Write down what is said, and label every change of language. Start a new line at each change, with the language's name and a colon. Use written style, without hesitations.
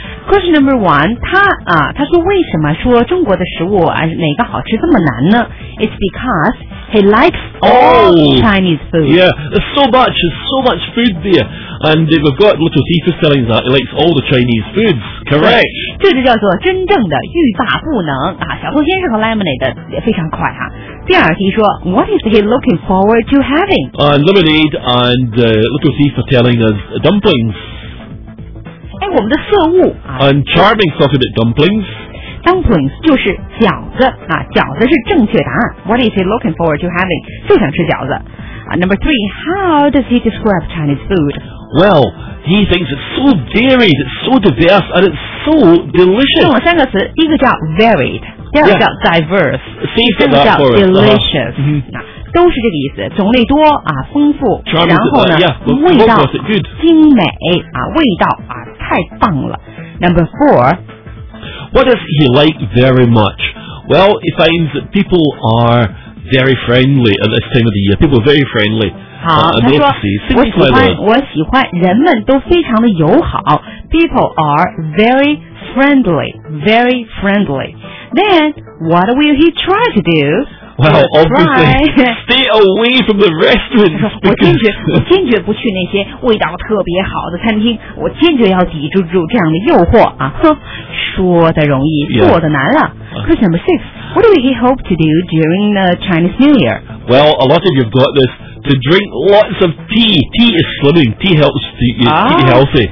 English: Question number one,
Chinese: 他说为什么说中国的食物啊哪个好吃这么难呢？
English: It's because he likes all Chinese food. Yeah, there's so much food there. And we've got little thief is telling that he likes all the Chinese foods, correct?
Chinese: 这就叫做真正的欲罢不能啊！小兔先生和 Lemonade 也非常快哈。第二题说
English: ，What is he looking forward to having? Lemonade and little thief are telling us dumplings.
Chinese: 哎，我们的色物啊。
English: And Charming talking about dumplings.
Chinese: Dumplings 就是饺子啊，饺子是正确答案。
English: What is he looking forward to having?
Chinese: 就想吃饺子啊。
English: Number three, how does he describe Chinese food? Well, he thinks it's so varied, it's so diverse, and it's so delicious.
Chinese: 用了三个词，一个叫 varied， 第二个叫 diverse， 第三个叫 delicious。都是这个意思，种类多啊，丰富，然后呢，味道精美啊，味道啊，太棒了。
English: Number four. What does he like very much? Well, he finds that people are very friendly at this time of the year. People are very friendly.
Chinese: 好，他说我喜欢人们都非常的友好。
English: People are very friendly, very friendly. Then, what will he try to do? Well, obviously, stay away from the restaurant.
Chinese: 我坚决不去那些味道特别好的餐厅。我坚决要抵制住这样的诱惑啊！哼。说的容易、 yeah. 做的难了
English: Question number six What do we hope to do during the Chinese New Year? Well, a lot of you have got this To drink lots of tea Tea is slimming Tea helps to keep you healthy